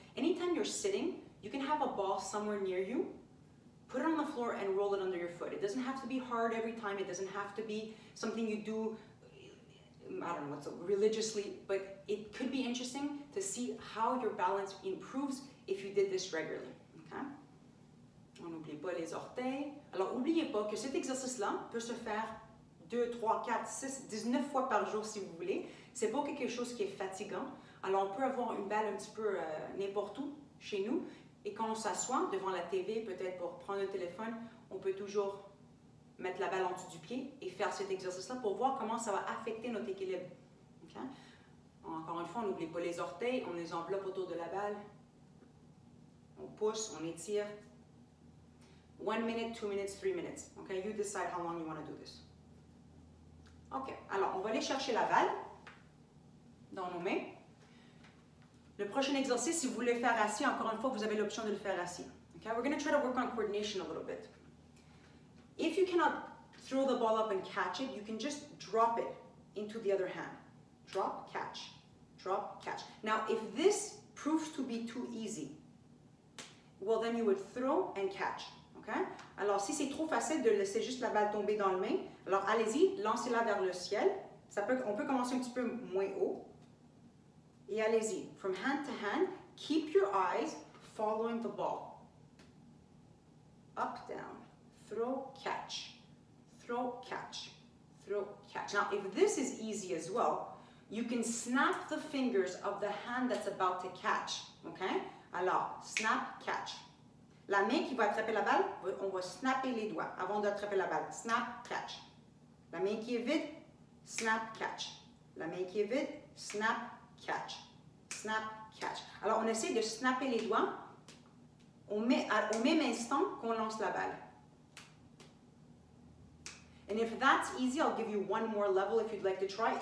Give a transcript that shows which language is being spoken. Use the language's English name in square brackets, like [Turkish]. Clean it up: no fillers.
[English] Anytime you're sitting, you can have a ball somewhere near you, put it on the floor and roll it under your foot. It doesn't have to be hard every time. It doesn't have to be something you do, I don't know, what's religiously, but it could be interesting to see how your balance improves if you did this regularly, okay? [French] On n'oublie pas les orteils. Alors, n'oubliez pas que cet exercice-là peut se faire 2, 3, 4, 6, 19 fois par jour si vous voulez. C'est pas quelque chose qui est fatigant. Alors, on peut avoir une balle un petit peu n'importe où chez nous. Et quand on s'assoit devant la TV, peut-être pour prendre le téléphone, on peut toujours mettre la balle en dessous du pied et faire cet exercice-là pour voir comment ça va affecter notre équilibre. Okay? Encore une fois, on n'oublie pas les orteils, on les enveloppe autour de la balle. On pousse, on étire. 1 minute, 2 minutes, 3 minutes. [English] Okay, you decide how long you want to do this. [French] OK, alors on va aller chercher la balle dans nos mains. Le prochain exercice, si vous voulez faire assis, encore une fois, vous avez l'option de le faire assis. [English] Okay, we're going to try to work on coordination a little bit. If you cannot throw the ball up and catch it, you can just drop it into the other hand. Drop, catch, drop, catch. Now, if this proves to be too easy, well, then you would throw and catch, okay? [French] Alors, si c'est trop facile de laisser juste la balle tomber dans le main, alors allez-y, lancez-la vers le ciel. Ça peut, on peut commencer un petit peu moins haut. Et allez-y, [English] from hand to hand, keep your eyes following the ball. Up, down. Throw, catch. Throw, catch. Throw, catch. Now, if this is easy as well, you can snap the fingers of the hand that's about to catch, okay? [French] Alors, snap, catch. La main qui va attraper la balle, on va snapper les doigts avant d'attraper la balle. Snap, catch. La main qui est vide, snap, catch. La main qui est vide, snap, catch. Snap, catch. Alors, on essaie de snapper les doigts au même instant qu'on lance la balle. [English] And if that's easy, I'll give you one more level if you'd like to try.